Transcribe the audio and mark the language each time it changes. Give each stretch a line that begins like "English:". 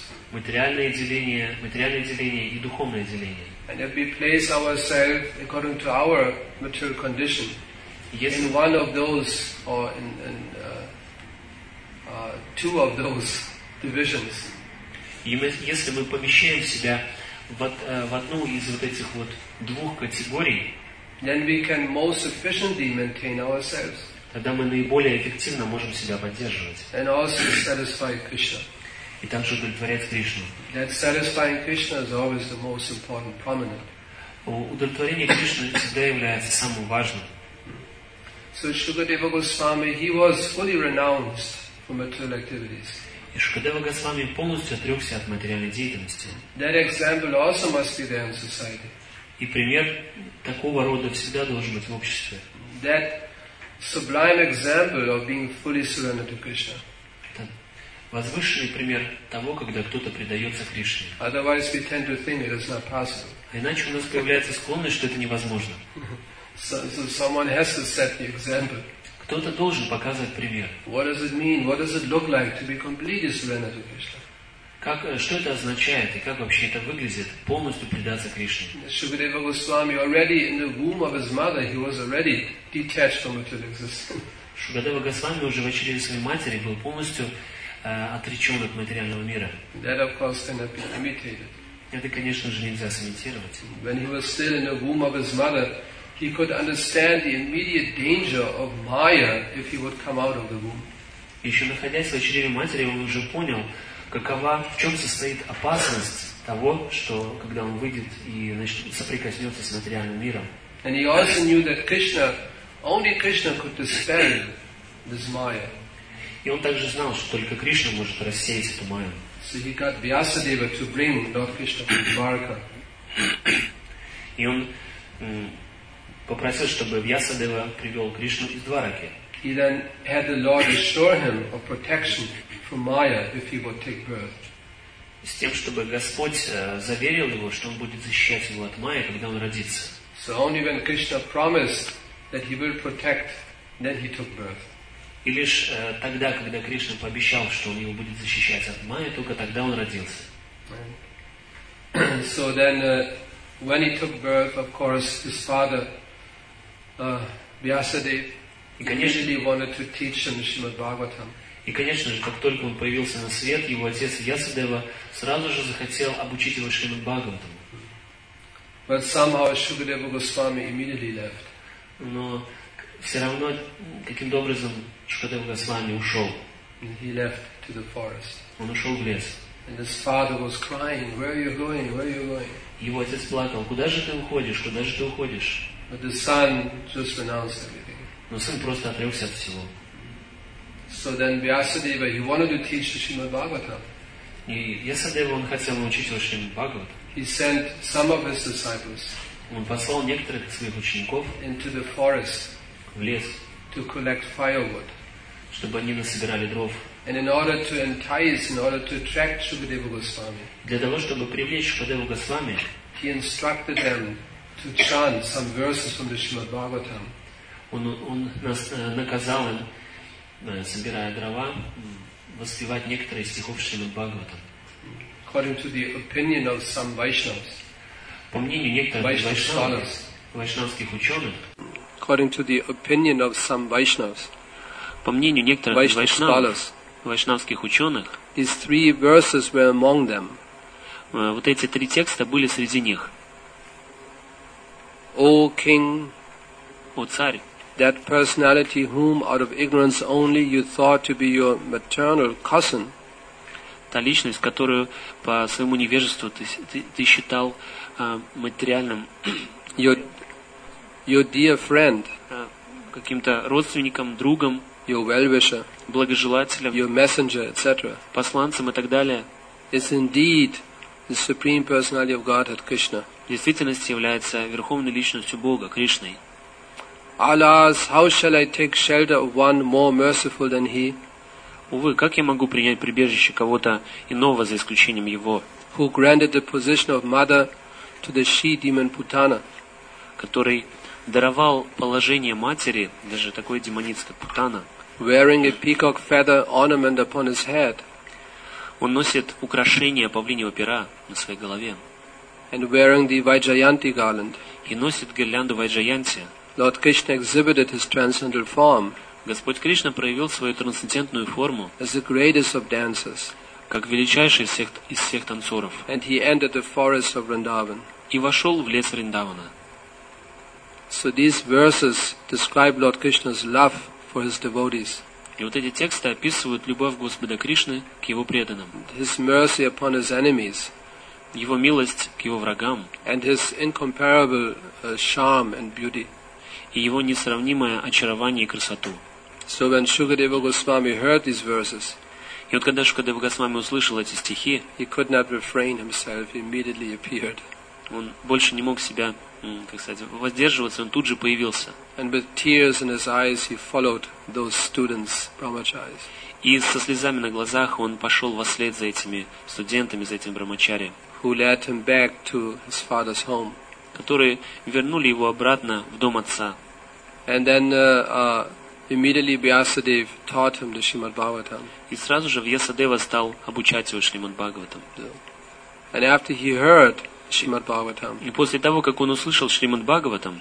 Russian: Материальное деление и духовное деление.
English: And if we place ourselves according to our material condition in one of those or in two of those divisions.
Russian: Если мы помещаем себя в одну из вот этих вот двух категорий,
English: then we can most efficiently maintain ourselves.
Russian: Тогда мы наиболее эффективно можем себя поддерживать.
English: And also satisfy Krishna.
Russian: И также удовлетворять Кришну.
English: That satisfying Krishna is always the most important, prominent.
Russian: Удовлетворение Кришны всегда является самым важным.
English: So Shukadeva Goswami, he was fully renounced from material activities.
Russian: И Шукадева Госвами полностью отрекся от материальной деятельности.
English: That example also must be there in society.
Russian: И пример такого рода всегда должен быть в обществе.
English: That sublime example of being fully surrendered to Krishna.
Russian: Это возвышенный пример того, когда кто-то предается Кришне.
English: Otherwise, we tend to think it is not possible.
Russian: А иначе у нас появляется склонность, что это невозможно.
English: So someone has to set the example.
Russian: Кто-то должен показывать пример.
English: What does it mean? What does it look like to be completely surrendered to Krishna?
Russian: Как, что это означает и как вообще это выглядит полностью предаться Кришне?
English: Шукадева Госвами already in the womb of his mother he was already detached from material existence.
Russian: Шукадева Госвами уже в чреве своей матери был полностью отречен от материального мира.
English: That of course cannot be imitated.
Russian: Это, конечно же, нельзя сымитировать.
English: When he was still in the womb of his mother, he could understand the immediate danger of Maya if he would come out of the womb.
Russian: Еще находясь в чреве матери, он уже понял. В чем состоит опасность того, что когда он выйдет и соприкоснется с материальным миром?
English: And he also knew that Krishna, only Krishna could dispel this Maya.
Russian: И он также знал, что только Кришна может рассеять эту Майю.
English: So he got Vyasadeva to bring Lord Krishna to Dwarka.
Russian: И он попросил, чтобы Вьясадева привел Кришну из Двараки.
English: He then had the Lord assure him of protection. Maya, if he would take birth.
Russian: С тем, чтобы Господь заверил его, что он будет защищать его от Майи, когда он родится.
English: So only when Krishna promised that he will protect, then he took birth.
Russian: И лишь тогда, когда Кришна пообещал, что он его будет защищать от Майи, только тогда он родился.
English: So then, when he took birth, of course, his father, Vyasadev, immediately wanted to teach him Srimad Bhagavatam.
Russian: И, конечно же, как только он появился на свет, его отец Ясадева сразу же захотел обучить его Шримад Бхагаватам.
English: But somehow Shukadeva Goswami immediately left.
Russian: Но все равно каким-то образом Шукадева Госвами ушел.
English: He left to the forest.
Russian: Он ушел в лес.
English: And his father was crying, "Where are you going? Where are you going?"
Russian: Его отец плакал: "Куда же ты уходишь? Куда же ты уходишь?"
English: But the son just renounced everything.
Russian: Но сын просто отрекся от всего.
English: So then Vyasadeva, he wanted to teach the Srimad Bhagavatam.
Russian: И Ясадева, он хотел научить его Шримад Бхагаватам.
English: He sent some of his disciples.
Russian: Он послал некоторых своих учеников
English: into the forest.
Russian: В лес.
English: To collect firewood.
Russian: Чтобы они насобирали дров.
English: And in order to entice, in order to attract Shukadeva Goswami,
Russian: для того, чтобы привлечь Шукадеву Госвами,
English: he instructed them to chant some verses from the Srimad Bhagavatam.
Russian: Он наказал им, собирая дрова, воспевать некоторые стихов Шримад Бхагаватам.
English: According to the opinion of some Vaishnavas,
Russian: по мнению некоторых вайшнавов, вайшнавских ученых,
English: according to the opinion of some Vaishnavas,
Russian: по мнению некоторых вайшнавов, вайшнавских ученых,
English: these three verses were among them.
Russian: Вот эти три текста были среди них.
English: O King,
Russian: о царь,
English: that personality whom out of ignorance only you thought to be your maternal cousin,
Russian: та личность, которую по своему невежеству ты считал материальным,
English: your dear friend,
Russian: каким-то родственником, другом,
English: your well-wisher,
Russian: благожелателем,
English: your messenger, etc.,
Russian: посланцем и так далее,
English: is indeed the supreme personality of Godhead, Krishna.
Russian: В действительности является верховной личностью Бога, Кришной.
English: Alas, how shall I take shelter of one more merciful than he?
Russian: Увы, как я могу принять прибежище кого-то иного за исключением его?
English: Who granted the position of mother to the she-demon Putana?
Russian: Который даровал положение матери даже такой демонице, как Путана.
English: Wearing a peacock feather ornament upon his head.
Russian: Он носит украшение павлиньего пера на своей голове.
English: And wearing the Vajrayanti garland.
Russian: И носит гирлянду Вайджаянти.
English: Lord Krishna exhibited his transcendental form.
Russian: Господь Кришна проявил свою трансцендентную форму
English: as the greatest of dancers,
Russian: как величайший из всех танцоров.
English: And he entered the forest of Vrindavan.
Russian: И вошел в лес Вриндавана.
English: So these verses describe Lord Krishna's love for his devotees.
Russian: И вот эти тексты описывают любовь Господа Кришны к его преданным.
English: His mercy upon his enemies.
Russian: Его милость к его врагам.
English: And his incomparable charm and beauty.
Russian: И его несравнимое очарование и красоту.
English: So when Shukadeva Goswami heard these verses,
Russian: и вот когда Шукадева Госвами услышал эти стихи,
English: he could not refrain himself, he immediately appeared.
Russian: Он больше не мог себя, как сказать, воздерживаться, он тут же появился.
English: And with tears in his eyes, he followed those students, brahmacharis.
Russian: И со слезами на глазах он пошел вслед за этими студентами, за этим брамачари,
English: who led him back to his father's home,
Russian: которые вернули его обратно в дом отца.
English: And then, immediately Vyasadev taught him the Srimad Bhagavatam.
Russian: И сразу же Вьясадева стал обучать его Шримад Бхагаватам.
English: And after he heard Srimad Bhagavatam,
Russian: и после того, как он услышал Шримад Бхагаватам,